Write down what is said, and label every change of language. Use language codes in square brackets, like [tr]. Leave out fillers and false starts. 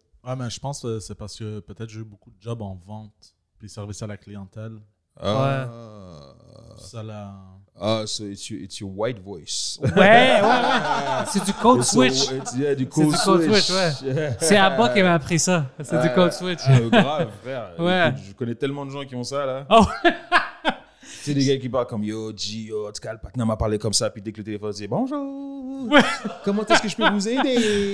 [fr] Ah, mais je pense que c'est parce que peut-être j'ai eu beaucoup de jobs en vente, puis service à la clientèle. Ah. Ouais. Ça l'a. [en] Ah, so it's your white voice. [fr] Ouais. C'est du code switch. C'est du code switch, ouais. C'est Abba qui m'a appris ça. C'est du code switch. Grave, frère. Ouais. Je connais tellement de gens qui ont ça, là. Oh. C'est des gars qui parlent comme « Yo, G, yo, en tout cas, le patron m'a parlé comme ça. » Puis dès que le téléphone dit « Bonjour, comment est-ce que je peux vous aider ?»